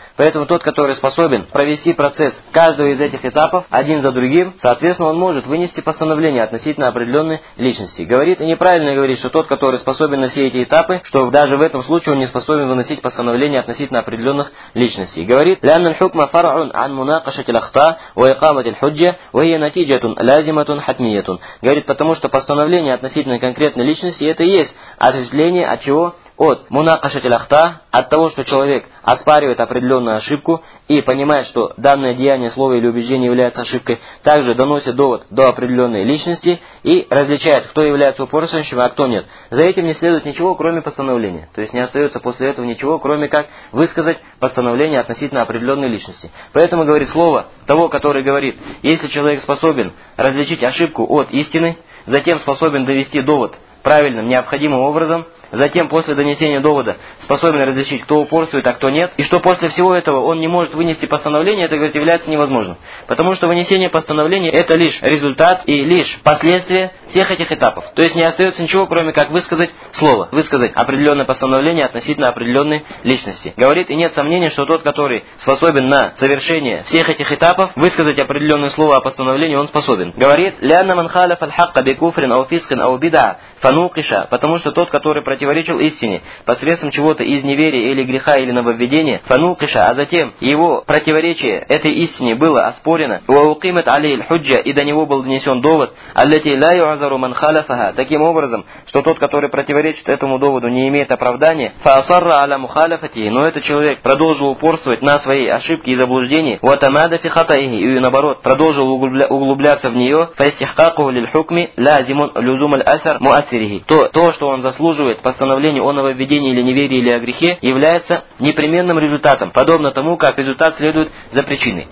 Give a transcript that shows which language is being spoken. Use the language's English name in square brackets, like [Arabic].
[Russian] Поэтому тот, который способен провести процесс каждого из этих этапов один за другим, соответственно, он может вынести постановление относительно определенной личности. Говорит, и неправильно говорит, что тот, который способен на все эти этапы, что даже в этом случае он не способен выносить постановление относительно определенных личностей. Говорит, [Arabic] لَأَنَّ الْحُكْمَ فَرْعٌ عَنْ مُنَاقَشَةِ الْأَخْطَاءِ وَإِقَامَةِ الْحُجَّةِ وَهِيَ نَتِيجَةٌ لَازِمَةٌ حَتْمِيَّةٌ. [Russian] Говорит, потому что постановление относительно конкретной личности это и есть ответвление от чего? От мунакашати лахта, от того, что человек оспаривает определенную ошибку и понимает, что данное деяние, слово или убеждение является ошибкой, также доносит довод до определенной личности и различает, кто является упорствующим, а кто нет. За этим не следует ничего, кроме постановления. То есть не остается после этого ничего, кроме как высказать постановление относительно определенной личности. Поэтому говорит слово того, который говорит, если человек способен различить ошибку от истины, затем способен довести довод правильным, необходимым образом, затем после донесения довода способен различить, кто упорствует, а кто нет, и что после всего этого он не может вынести постановление, это, говорит, является невозможным. Потому что вынесение постановления – это лишь результат и лишь последствия всех этих этапов. То есть не остается ничего, кроме как высказать слово, высказать определенное постановление относительно определенной личности. Говорит, и нет сомнения, что тот, который способен на совершение всех этих этапов, высказать определенное слово о постановлении, он способен. Говорит, [Arabic] لَأَنَّ مَنْ خَالَفَ الْحَقَّ بِكُفْرٍ أَوْ فِسْقٍ أَوْ بِدْعَةٍ فَنُوقِشَ. [Russian] Потому что тот, который противоречил истине посредством чего-то из неверия или греха или нововведения, фанукиша, а затем его противоречие этой истине было оспорено, [Arabic] уаукимет али ль-худжа, [Russian] и до него был донесен довод, [Arabic] аллати ла юазару ман халафаха, [Russian] таким образом, что тот, который противоречит этому доводу, не имеет оправдания, [Arabic] фаасарра аля мухалафати, [Russian] но этот человек продолжил упорствовать на свои ошибки и заблуждения, [Arabic] уатамада фи хатаихи, [Russian] и наоборот, продолжил углубляться в нее, [Arabic] фаистихкаку лиль-хукми ла зимун люзум аль-асар муасирихи, [Russian] то, что он заслуживает постановление о нововведении или неверии или о грехе, является непременным результатом, подобно тому, как результат следует за причиной.